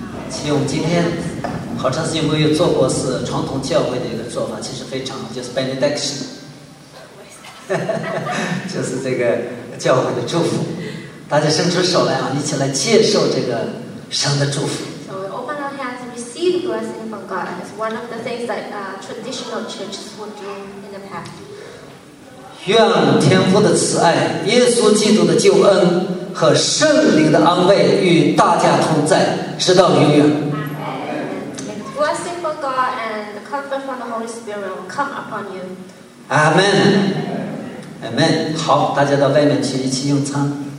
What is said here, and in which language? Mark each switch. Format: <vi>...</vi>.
<zh>其实我们今天好长时间没有做过是传统教会的一个做法，其实非常好，就是 benediction， 就是这个教会的祝福。大家伸出手来啊，一起来接受这个神的祝福。</zh> <en>So we open our hands and receive the blessing from God. It's one of the things that traditional churches would do in the past.</en> <zh>愿天父的慈爱、耶稣基督的救恩和圣灵的安慰与大家同在，直到永远。</zh> <en>Amen. The blessing from God and the comfort from the Holy Spirit will come upon you. Amen. Amen.</en> <zh>好，大家到外面去一起用餐。</zh>